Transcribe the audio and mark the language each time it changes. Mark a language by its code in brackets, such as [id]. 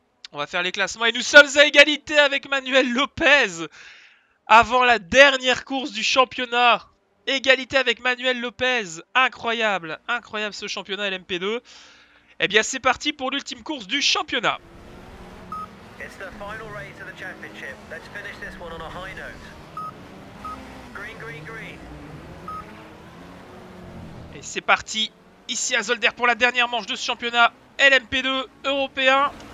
[fr] On va faire les classements. Et nous sommes à égalité avec Manuel Lopez. Avant la dernière course du championnat. Égalité avec Manuel Lopez. Incroyable. Incroyable ce championnat LMP2. Eh bien, c'est parti pour l'ultime course du championnat. [en] It's the final race of the championship. Let's finish this one on a high note. [fr] Et c'est parti ici à Zolder pour la dernière manche de ce championnat LMP2 européen.